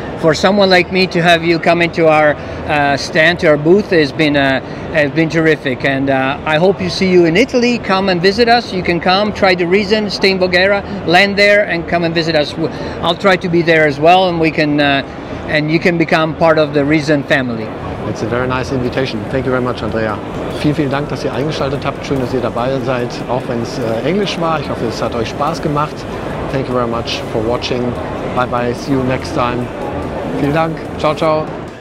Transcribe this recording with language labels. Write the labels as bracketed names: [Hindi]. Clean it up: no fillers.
[English] For someone like me to have you come into our stand, to our booth, has been terrific. And I hope you see you in Italy. Come and visit us. You can come, try the reason, stay in Voghera, land there, and come and visit us. I'll try to be there as well, and we can, and you can become part of the reason family. It's a very nice invitation. Thank you very much, Andrea. [German] Vielen, vielen Dank, dass ihr eingeschaltet habt. Schön, dass ihr dabei seid, auch wenn es Englisch war. Ich hoffe, es hat euch Spaß gemacht. [English] Thank you very much for watching. Bye bye. See you next time. [German] Vielen Dank. [Italian] Ciao, ciao.